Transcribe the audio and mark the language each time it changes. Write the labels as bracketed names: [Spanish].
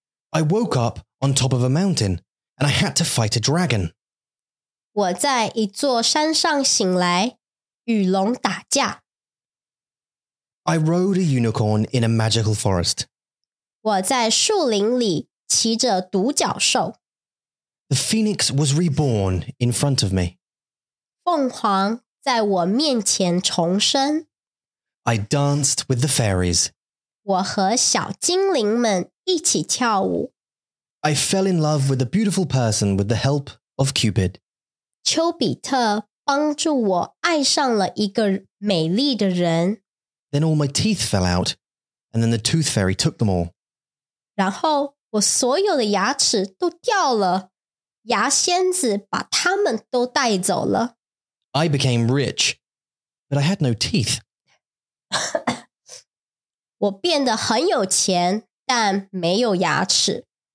[English] I woke up on top of a mountain, and I had to fight a dragon. [Chinese] 我在一座山上醒来，与龙打架。 [English] I rode a unicorn in a magical forest. [Chinese] 我在树林里骑着独角兽。 [English] The phoenix was reborn in front of me. [Chinese] 凤凰在我面前重生。 [English] I danced with the fairies. [Chinese] 我和小精灵们一起跳舞。 [English] I fell in love with a beautiful person with the help of Cupid. [Chinese] 丘比特帮助我爱上了一个美丽的人。 [English] Then all my teeth fell out, and then the tooth fairy took them all. [Chinese] 然后我所有的牙齿都掉了，牙仙子把它们都带走了。 [English] I became rich, but I had no teeth. [Chinese] 我变得很有钱，但没有牙齿。